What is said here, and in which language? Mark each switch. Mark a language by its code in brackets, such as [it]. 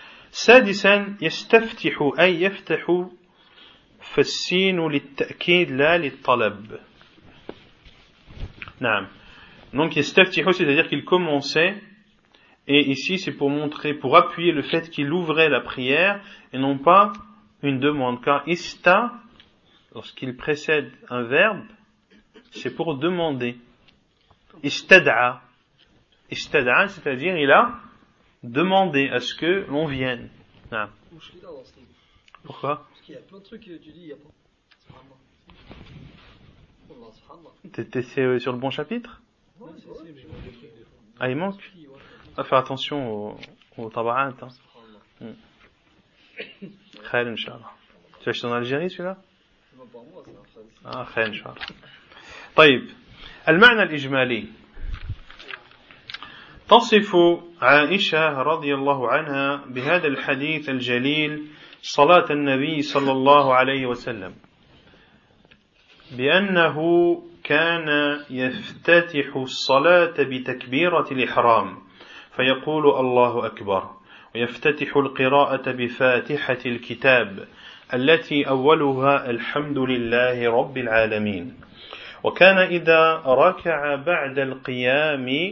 [ar] سادسا يستفتح أي يفتح فالسين للتأكيد لا للطلب. نعم. [fr] Donc il stafthihu, c'est-à-dire qu'il commençait, et ici c'est pour montrer, pour appuyer le fait qu'il ouvrait la prière et non pas une demande. Car ista, lorsqu'il précède un verbe, c'est pour demander. Istada'a. Istada'a, c'est-à-dire il a demandé à ce que l'on vienne. Non. Pourquoi ? Parce qu'il y a plein de trucs que tu dis, il y a pas. T'étais sur le bon chapitre ? Ah, il manque ? Ah, faire attention au tabarat. Khair, Inch'Allah. Tu l'as acheté en Algérie, celui-là ? Ah, Khair, Inch'Allah. [ar] طيب المعنى الإجمالي تصف عائشة رضي الله عنها بهذا الحديث الجليل صلاة النبي صلى الله عليه وسلم بأنه كان يفتتح الصلاة بتكبيرة الإحرام فيقول الله أكبر ويفتتح القراءة بفاتحة الكتاب التي أولها الحمد لله رب العالمين وكان إذا ركع بعد القيام